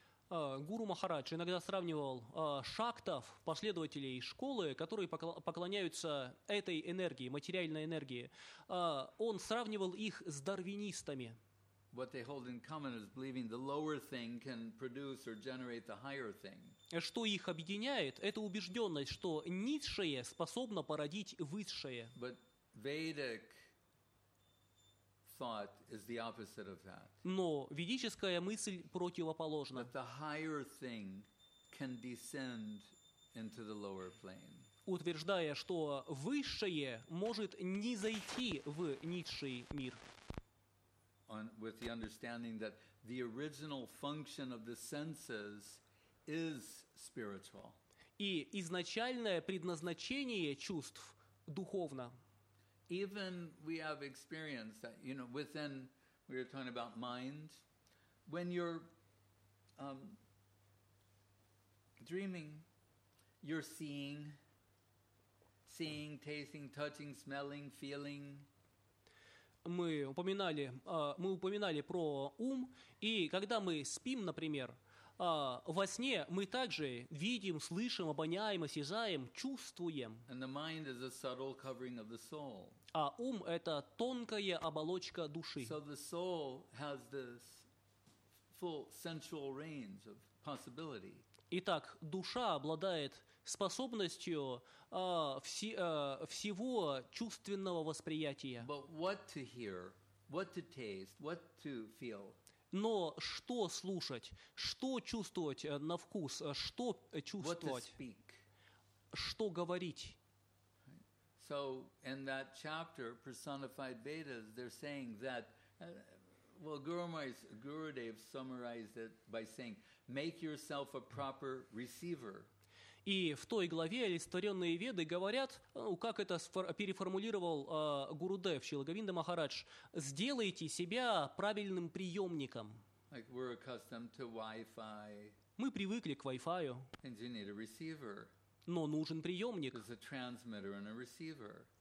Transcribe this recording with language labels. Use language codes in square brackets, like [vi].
[ru] Гуру Махарадж иногда сравнивал шактов, последователей школы, которые поклоняются этой энергии, материальной энергии. Он сравнивал их с дарвинистами. [en] What they hold in common is believing the lower thing can produce or generate the higher thing. [ru] Что их объединяет, это убежденность, что низшее способно породить высшее. [en] But Vedic thought is the opposite of that. [ru] Но ведическая мысль противоположна. [en] That the higher thing can descend into the lower plane. [ru] Утверждая, что высшее может не зайти в низший мир. [en] On, with the understanding that the original function of the senses is spiritual. [ru] И изначальное предназначение чувств духовно. [en] Even we have experience that, you know, within, we were talking about mind, when you're dreaming, you're seeing, tasting, touching, smelling, feeling. [ru] Мы упоминали про ум, и когда мы спим, например, во сне мы также видим, слышим, обоняем, осязаем, чувствуем. [en] And the mind is a subtle covering of the soul. [ru] А ум — это тонкая оболочка души. [en] So the soul has this full sensual range of possibility. [ru] Итак, душа обладает способностью всего чувственного восприятия. [en] But what to hear, what to taste, what to feel? [ru] Но что слушать, что чувствовать на вкус, что чувствовать, [en] what to speak? [ru] Что говорить? [en] So in that chapter, Personified Vedas, they're saying that, well, Gurudev summarized it by saying, make yourself a proper receiver. [ru] И в той главе олицетворенные веды говорят, ну, как это переформулировал Гурудев, Шрила Говинда Махарадж, сделайте себя правильным приемником. [en] Like we're accustomed to Wi-Fi. [ru] Мы привыкли к Wi-Fi. [en] And you need a receiver. [ru] Но нужен приемник. [en] There's a transmitter and a receiver.